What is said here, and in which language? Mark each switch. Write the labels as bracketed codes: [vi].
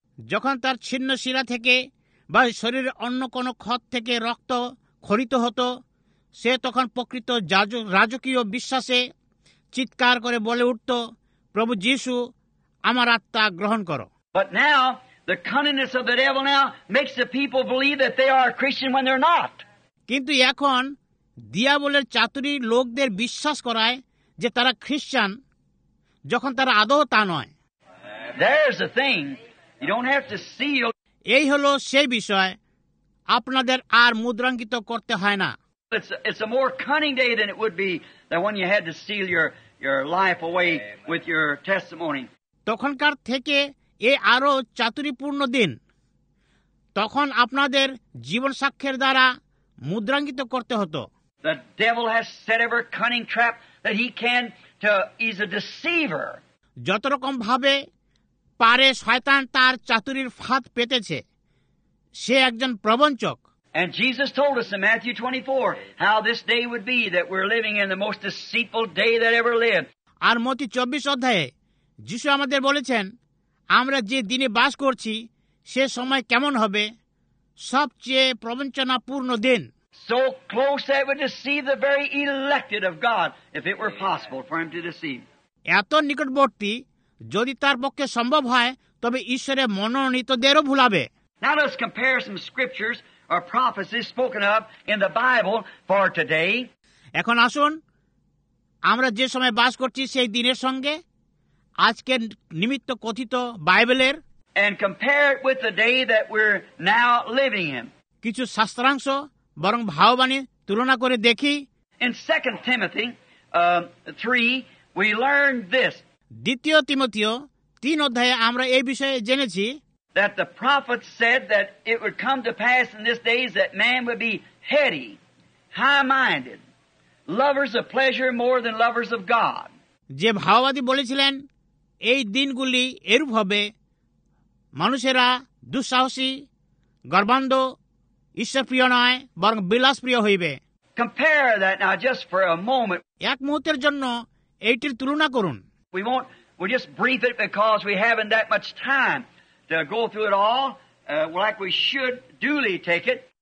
[bn] যখন তার ছিন্ন শিরা থেকে বা শরীরের অন্য কোন ক্ষত থেকে রক্ত খরিত হতো, সে তখন প্রকৃত রাজকীয় বিশ্বাসে চিৎকার করে বলে উঠত, প্রভু যীশু আমার আত্মা গ্রহণ কর। [en] But now the cunningness of the devil now makes the people believe that they are a Christian when they're not. [bn] কিন্তু এখন দিয়াবলের চাতুরি লোকদের বিশ্বাস করায় যে তারা খ্রিস্টান, যখন তারা আদৌ তা নয়। [en] There's a thing you don't have to seal. [bn] এই হলো সেই বিষয় আপনাদের আর মুদ্রাঙ্কিত করতে হয় না। [en] It's a more cunning day than it would be that when you had to seal your life away with your testimony. [bn] তখনকার থেকে এ আরো চাতুরিপূর্ণ দিন, তখন আপনাদের জীবন সাক্ষ্যের দ্বারা মুদ্রাঙ্কিত করতে হতো। [en] The devil has set ever cunning trap that he can to is a deceiver. [bn] যত রকম ভাবে পারে শয়তান তার চাতুরির ফাঁদ পেতেছে, সে একজন প্রবঞ্চক। [en] And Jesus told us in Matthew 24 how this day would be that we're living in the most deceitful day that ever lived. [bn] আর মতি 24 অধ্যায়ে যীশু আমাদের বলেছেন, আমরা যে দিনে বাস করছি সে সময় কেমন হবে, সবচেয়ে প্রবঞ্চনাপূর্ণ দিন। [en] So close that it would deceive the very elected of God if it were possible for him to deceive. [bn] এত নিকটবর্তী, যদি তার পক্ষে সম্ভব হয় তবে ঈশ্বরের মনোনীতদেরও ভুলাবে। [en] Now let's compare some scriptures or prophecies spoken of in the Bible for today. [bn] এখন আসুন আমরা যে সময় বাস করছি সেই দিনের সঙ্গে আজকের নিমিত্ত কথিত বাইবেলের [en] and compare it with the day that we're now living in. [bn] কিছু শাস্ত্রাংশ বরং ভাববাণী তুলনা করে দেখি। [en] In 2 Timothy 3 we learned this. [bn] দ্বিতীয় তিমোথিও 3 অধ্যায়ে আমরা এই বিষয়ে জেনেছি, [en] that the prophet said that it would come to pass in this days that man would be heady, high-minded, lovers of pleasure more than lovers of God. [bn] যে ভাববাদী বলেছিলেন এই দিনগুলি এরূপ হবে, মানুষেরা দুঃসাহসী, গর্বান্ধ, ঈশ্বরপ্রিয় নয় বরং বিলাসপ্রিয় হইবে। [en] Compare that now just for a moment. [bn] এক মুহূর্তের জন্য এইটির তুলনা করুন। [en] We'll just brief it because we haven't that much time to go through it all like we should duly take it.